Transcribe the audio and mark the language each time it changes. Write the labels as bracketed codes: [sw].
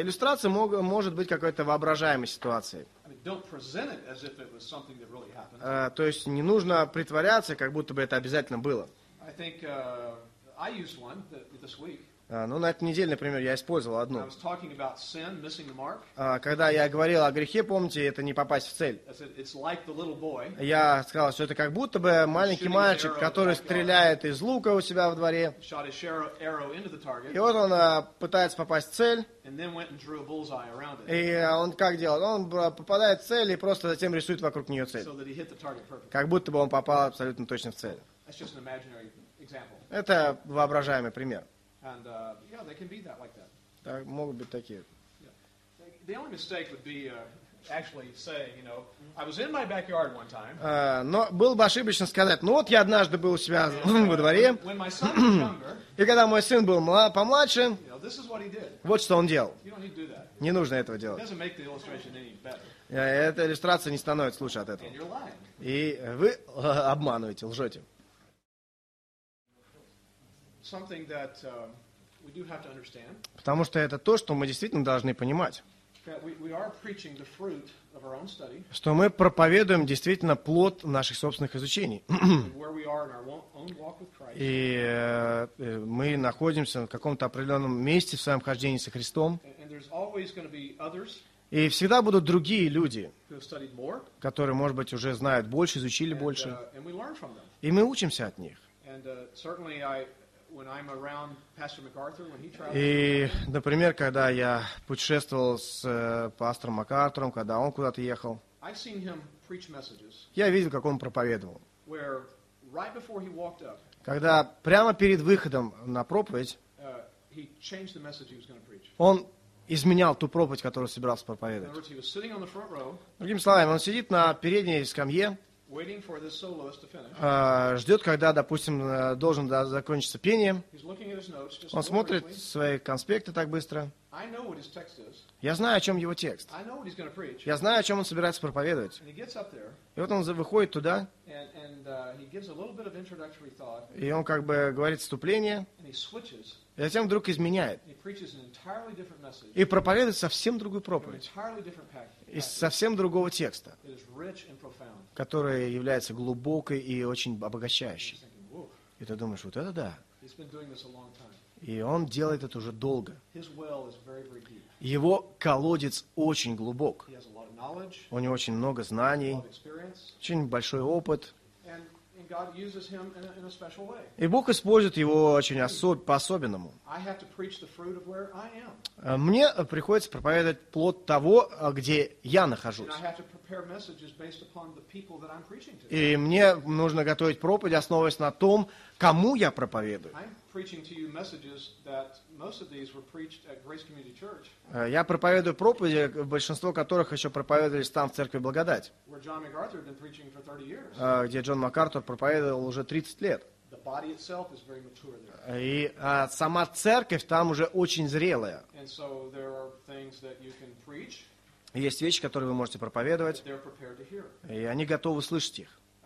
[ru] Иллюстрация может быть какой-то воображаемой ситуацией. [en] I mean, don't present it as if it was something that really happened. [ru] То есть не нужно притворяться, как будто бы это обязательно было. [en] I think I used one this week. [ru] На этой неделе, например, я использовал одну. [en] I was talking about sin, missing the mark. [ru] Когда я говорил о грехе, помните, это не попасть в цель. [en] I said, it's like the little boy. [ru] Я сказал, что это как будто бы маленький мальчик, который стреляет из лука у себя во дворе. [en] Shot his arrow into the target. [ru] И вот он пытается попасть в цель. [en] And then went and drew a bullseye around it. [ru] И он как делает? Он попадает в цель и просто затем рисует вокруг нее цель. [en] So that he hit the target perfectly. [ru] Как будто бы он попал абсолютно точно в цель. [en] That's just an imaginary example. [ru] Это воображаемый пример. [en] And yeah, they can be that like that. [ru] Так могут быть такие. [en] The only mistake would be actually saying, you know, I was in my backyard one time. [ru] Но было бы ошибочно сказать, вот я однажды был у себя во дворе. [en] When my son was younger. [ru] И когда мой сын был помладше. [en] You know, this is what he did. [ru] Вот что он делал. [en] You don't need to do that. [ru] Не нужно этого делать. [en] It doesn't make the illustration any better. [ru] Эта иллюстрация не становится лучше от этого. [en] And you're lying. [ru] И вы обманываете, лжете. [en] Something that we do have to understand. [ru] Потому что это то, что мы действительно должны понимать. [en] That we are preaching the fruit of our own study. [ru] Что мы проповедуем действительно плод наших собственных изучений. [en] Where we are in our own walk with Christ. [ru] И мы находимся в каком-то определенном месте в своем хождении со Христом. [en] And there's always going to be others. [ru] И всегда будут другие люди, [en] more, [ru] которые, может быть, уже знают больше, изучили [en] and, [ru] больше. [en] And we learn from them. [ru] И мы учимся от них. [en] And certainly I. When I'm around Pastor MacArthur, when he travels. [ru] И, например, когда я путешествовал с пастором МакАртуром, когда он куда-то ехал, [en] I've seen him preach messages. [ru] Я видел, как он проповедовал. [en] Where right before he walked up. [ru] Когда прямо перед выходом на проповедь. [en] He changed the message he was going to preach. [ru] Он изменял ту проповедь, которую собирался проповедовать. [en] In other words, he was sitting on the front row. [ru] Другими словами, он сидит на передней скамье. [en] Waiting for this soloist to finish. [ru] Ждет, когда, допустим, должен закончиться пение. [en] He's looking at his notes, just [ru] он смотрит свои конспекты так быстро. [en] I know what his text is. [ru] Я знаю, о чем его текст. [en] I know what he's gonna preach. [ru] Я знаю, о чем он собирается проповедовать. [en] And he gets up there, [ru] и вот он выходит туда. [en] And he gives a little bit of introductory thought, [ru] и он как бы говорит вступление. [en] And he switches, [ru] и затем вдруг изменяет. [en] He preaches an entirely different message, [ru] и проповедует совсем другую проповедь. [en] An entirely different package. [ru] Из совсем другого текста, [en] rich and profound, [ru] которая является глубокой и очень обогащающей. [en] Thinking, [ru] и ты думаешь, вот это да. [en] He's been doing this a long time. [ru] И он делает это уже долго. [en] His well is very, very deep. [ru] Его колодец очень глубок. [en] He has a lot of knowledge, [ru] у него очень много знаний, [en] a lot of experience, [ru] очень большой опыт. [en] And God uses him in a special way. [ru] И Бог использует его очень по-особенному. [en] I have to preach the fruit of where I am. [ru] Мне приходится проповедовать плод того, где я нахожусь. [en] And I have to prepare prepare messages based upon the people that I'm preaching to. [ru] И мне нужно готовить проповедь, основываясь на том, кому я проповедую. [en] I'm preaching to you messages that most of these were preached at Grace Community Church. [ru] Я проповедую проповеди, большинство которых еще проповедовались там в церкви Благодать. [en] Where John MacArthur had been preaching for 30 years. [ru] Где Джон МакАртур проповедовал уже 30 лет. [en] The body itself is very mature there. [ru] И сама церковь там уже очень зрелая. [en] And so there are things that you can preach. [ru] Есть вещи, которые вы можете проповедовать, и они готовы слышать их.